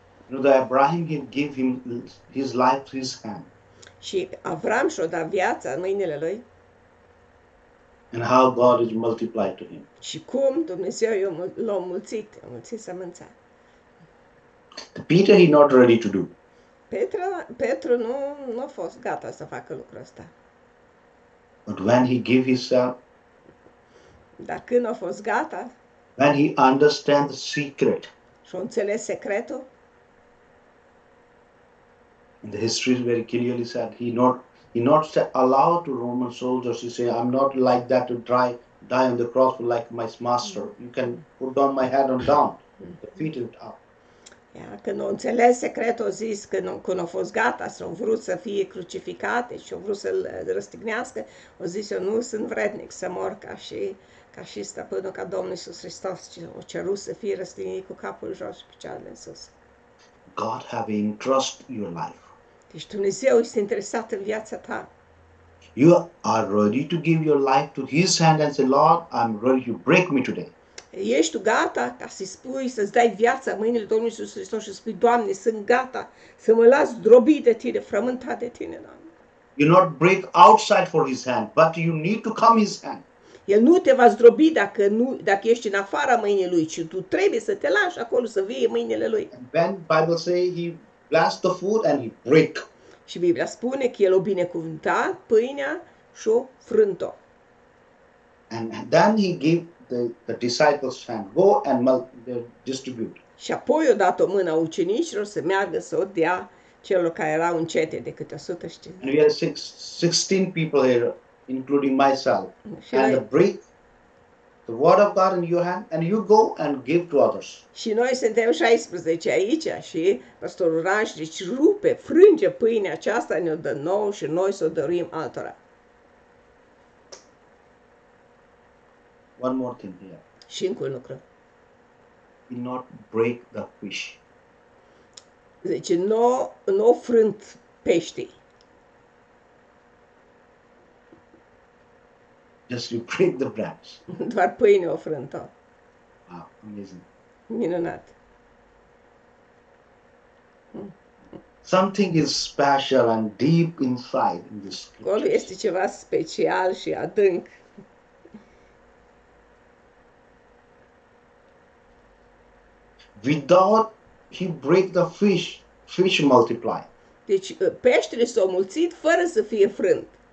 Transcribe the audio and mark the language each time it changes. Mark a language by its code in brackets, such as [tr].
[en] You know, that Abraham gave him his life to his hand. [ro] Și Avram și-o dat viața în mâinile lui. [en] And how God is multiplied to him. [ro] Și cum Dumnezeu i-a mulțit, a mulțit sămânța. [en] Peter, he not ready to do. [ro] Petru nu a fost gata să facă lucrul ăsta. [en] But when he gave himself, [ro] dar când a fost gata, [en] when he understand the secret, [ro] și-a înțeles secretul, [en] and the history is very clearly said, he not allowed to Roman soldiers to say, I'm not like that to die on the cross like my master. You can put down my head and down, the feet and up. [ro] Ia, când a înțeles secretul, a zis că când a fost gata, s-a vrut să fie crucificat și a vrut să-l răstignească, a zis, eu nu sunt vrednic să mor ca și stăpânul, ca Domnul Iisus Hristos, ci a cerut să fie răstignit cu capul jos și picioarele în sus. [en] God have entrust your life. [ro] Deci Dumnezeu este interesat în viața ta. [en] You are ready to give your life to His hand and say, Lord, I'm ready to break me today. [ro] Ești tu gata ca să-i spui, să-ți dai viața mâinile Domnului Iisus Hristos și spui, Doamne, sunt gata să mă las zdrobit de Tine, frământat de Tine, Doamne. [en] You not break outside for His hand, but you need to come His hand. [ro] El nu te va zdrobi dacă ești în afara mâinii Lui, ci tu trebuie să te lași acolo, să vii mâinile Lui. [en] And then Bible say He blessed the food and He break. [ro] Și Biblia spune că El a binecuvântat pâinea și o frânt-o. [en] And then He gave the disciples hand, go and distribute. [ro] Și apoi a dat o mână ucenicilor să meargă să o dea celor care erau în cete de câte 100 și ceva. [en] And we have 16 people here, including myself. [ro] Și [en] and [ro] noi, [en] the bread, the word of God in your hand, and you go and give to others. [ro] Și noi suntem 16 aici și pastorul Raj, deci rupe, frânge pâinea aceasta, ne-o dă nouă și noi să o dăruim altora. [en] One more thing here. [ro] Și încă un lucru. [en] Do not break the fish. [ro] Deci nu frânt peștii. [en] Just you break the branch. [ro] Doar pâine o frântă. [en] Wow, amazing. [ro] Minunat. [en] Something is special and deep inside in this. [ro] Acolo este ceva special și adânc. [en] Without he break the fish multiply. [ro] Deci peștele s-au mulțit fără să fie frânt.